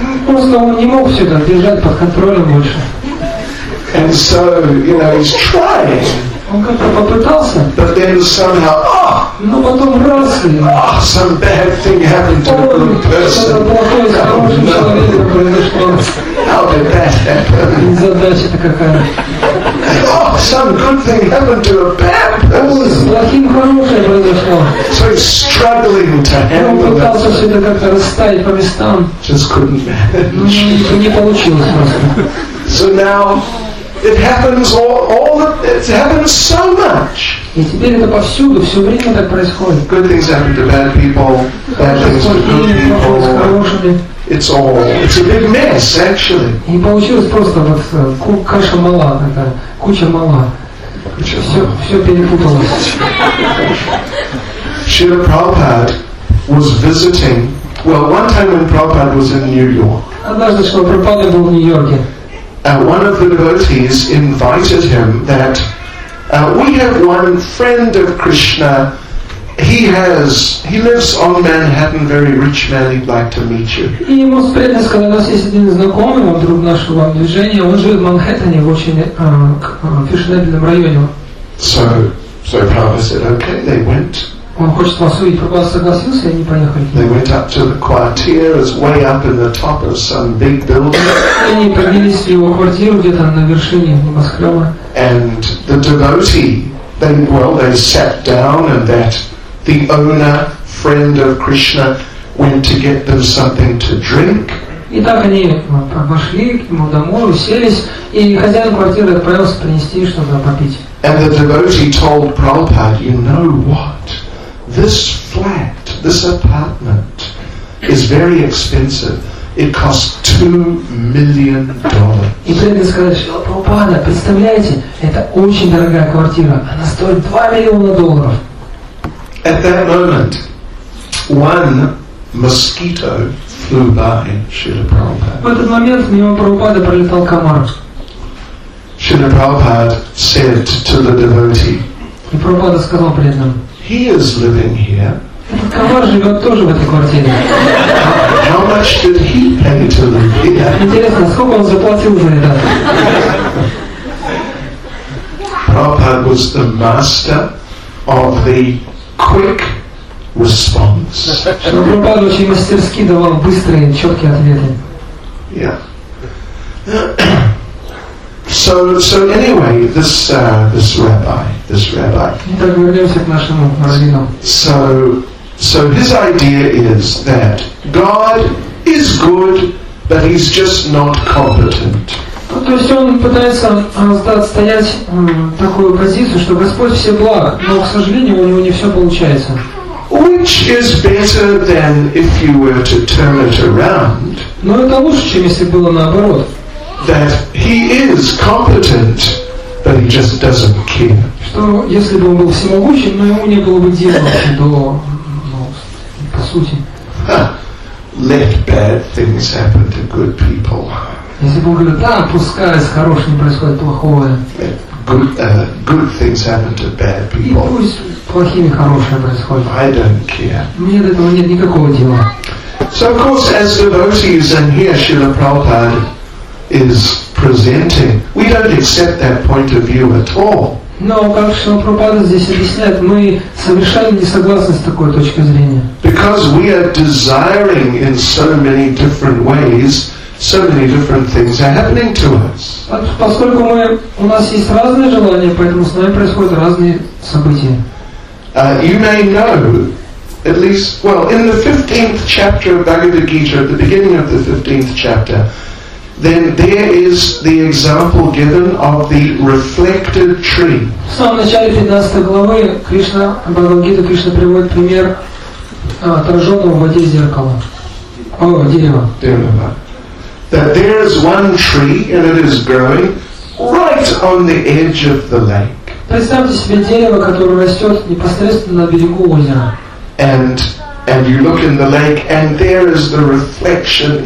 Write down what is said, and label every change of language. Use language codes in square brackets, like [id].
[ru] Просто он не мог все это держать под контролем больше. [en] And so, you know, he's trying. [ru] Он как-то попытался. [en] But then somehow, [ru] но потом раз и... [en] some bad thing happened to a good person. [ru] Что-то плохое с хорошим человеком произошло. [en] How did that happen? [ru] Задача-то какая. [en] Oh, some good thing happened to a bad person. So he's struggling to handle this. Just couldn't manage. So now it happens all it's happened so much. [ru] И теперь это повсюду, все время так происходит. [en] Good things happen to bad people, bad things to good people. It's a big mess, actually. [ru] И получилось просто вот каша мала такая, куча мала. Все перепуталось. [en] Шрила Прабхупад was visiting. Well, one time when Prabhupada was in New York. [ru] Однажды Шрила Прабхупада был в Нью-Йорке. [en] One of the devotees invited him that. We have one friend of Krishna. He lives on Manhattan, very rich man. He'd like to meet you. [ru] И ему спрятали, сказали, у нас есть один знакомый, он друг нашего движения. Он живет в Манхэттене, в очень фешенебельном районе. [en] So Prabhupada said, okay, they went. [ru] Он хочет вас увидеть. Прабхупада согласился, и они поехали. [en] They went up to the quartier, it's way up in the top of some big building. [ru] Они поднялись в его квартиру где-то на вершине небоскреба. [en] And the devotee, they sat down, and that the owner, friend of Krishna, went to get them something to drink. [ru] И так они пошли к нему домой, уселись, и хозяин квартиры отправился принести что-то попить. [en] And the devotee told Prabhupada, you know what? This flat, this apartment, is very expensive. It cost $2 million. [ru] И прежде сказать, что Прабхупада, представляете, это очень дорогая квартира, она стоит [en] $2 million. At that moment, one mosquito flew by Srila Prabhupada. [ru] В этот момент мимо Прабхупады пролетал комар. [en] Srila Prabhupada said to the devotee. [ru] И Прабхупада сказал преданным. [en] He is living here. [ru] Этот комар живет тоже в этой квартире. [en] How much did he pay to live here? [ru] Интересно, сколько он заплатил за это? [en] Prabhupada was the master of the quick response. [ru] Но Прабхупада очень мастерски давал быстрые, четкие ответы. [en] So anyway, this rabbi. [ru] Итак, вернемся к нашему раввину. [en] So his idea is that God is good, but he's just not competent. [ru] Ну, то есть он пытается отстоять такую позицию, что Господь все благ, но, к сожалению, у него не все получается. [en] Which is better than if you were to turn it around? [ru] Но это лучше, чем если было наоборот. [en] That he is competent, but he just doesn't care. [ru] Что если бы он был всемогущим, но ему не было бы дела до, по сути. [en] Let bad things happen to good people. [ru] Если бы он говорил, да, пускай с хорошим происходит плохое. [en] Let good things happen to bad people. [ru] И пусть плохими хорошее происходит. [en] I don't care. [ru] Мне до этого нет никакого дела. [en] So of course, as devotees, and here Srila Prabhupada is presenting, we don't accept that point of view at all. [ru] Но как Шрила Прабхупада здесь объясняет, мы совершенно не согласны с такой точкой зрения. [en] Because we are desiring in so many different ways, so many different things are happening to us. [ru] Поскольку у нас есть разные желания, поэтому с нами происходят разные события. [en] You may know, at least, well, in the 15th chapter of Bhagavad Gita, at the beginning of the 15th chapter, then there is the example given of the reflected tree. [ru] В самом начале 15 главы Кришна, Бхагавад Гита, Кришна приводит пример отраженного в воде зеркала. Дерева. [en] That there is one tree and it is growing right on the edge of the lake. [ru] Представьте себе дерево, которое растет непосредственно на берегу озера. [en] And you look in the lake, and there is the reflection.